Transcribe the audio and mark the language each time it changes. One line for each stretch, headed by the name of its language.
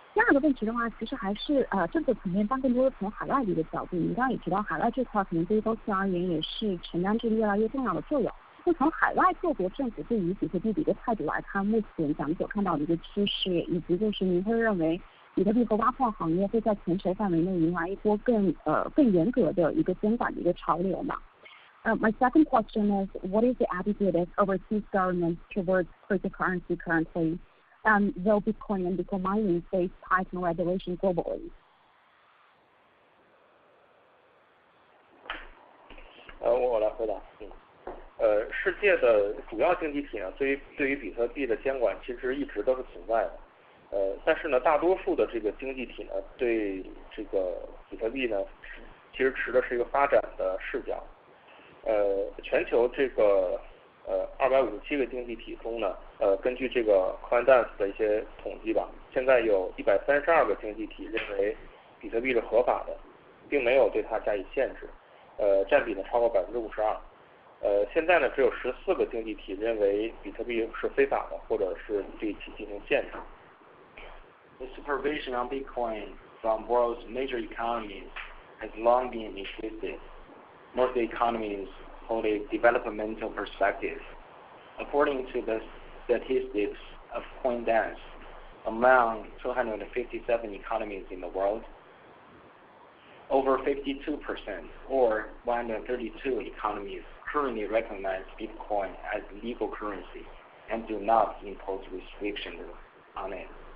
Chinese: 第二个问题的话，其实还是政策层面，但更多的从海外的一个角度，您刚刚也提到海外这块可能对于公司而言也是承担着越来越重要的作用。那从海外各国政府对于比特币的一个态度来看，目前咱们所看到的一个趋势，以及就是您会认为比特币和挖矿行业会在全球范围内迎来一波更严格的一个监管的一个潮流吗？
English: My second question is, what is the attitude of overseas governments towards cryptocurrency currently? Will Bitcoin and Bitcoin mining face tightened regulation globally?
Chinese: 我来回答。世界的主要经济体呢，对于比特币的监管其实一直都是存在的。但是呢，大多数的这个经济体呢，对这个比特币呢，其实持的是一个发展的视角。全球这个257个经济体中呢，根据这个 CoinDesk 的一些统计吧，现在有132个经济体认为比特币是合法的，并没有对它加以限制，占比呢超过52%。现在呢只有14个经济体认为比特币是非法的，或者是对其进行限制。
English: The supervision on Bitcoin from world's major economies has long been existed. Most economies hold a developmental perspective. According to the statistics of CoinDesk, among 257 economies in the world, over 52% or 132 economies currently recognize Bitcoin as legal currency and do not impose restrictions on it.